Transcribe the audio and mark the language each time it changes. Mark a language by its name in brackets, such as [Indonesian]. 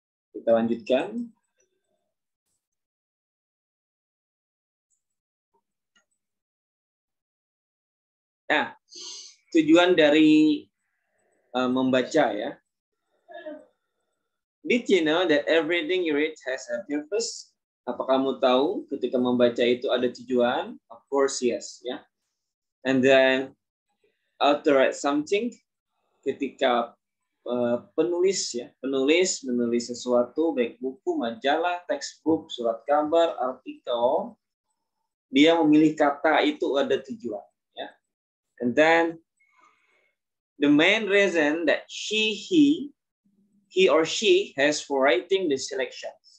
[Indonesian] Kita lanjutkan. Nah, tujuan dari membaca ya. [English] Did you know that everything you read has a purpose? [Indonesian] Apa kamu tahu ketika membaca itu ada tujuan? [English] Of course, yes. Yeah. And then, author write something. [Indonesian] Ketika penulis, ya, penulis menulis sesuatu, baik buku, majalah, textbook, surat kabar, artikel, dia memilih kata itu ada tujuan. [English] Yeah. And then, the main reason that he or she has for writing the selection.